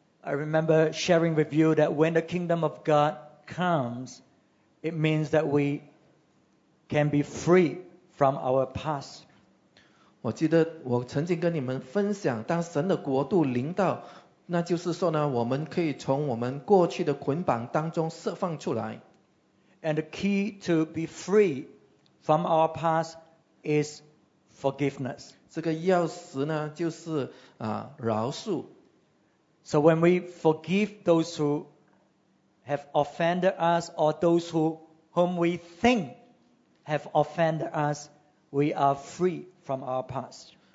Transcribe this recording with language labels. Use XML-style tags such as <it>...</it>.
<en>I remember sharing with you that when the kingdom of God comes, it means that we can be free from our past.</en> <zh>我记得我曾经跟你们分享，当神的国度临到，那就是说呢，我们可以从我们过去的捆绑当中释放出来。</zh> <en>And the key to be free from our past is forgiveness.</en> <zh>这个钥匙呢，就是饶恕。</zh> <en>So when we forgive those who have offended us or those whom we think have offended us, we are free from our past.</en>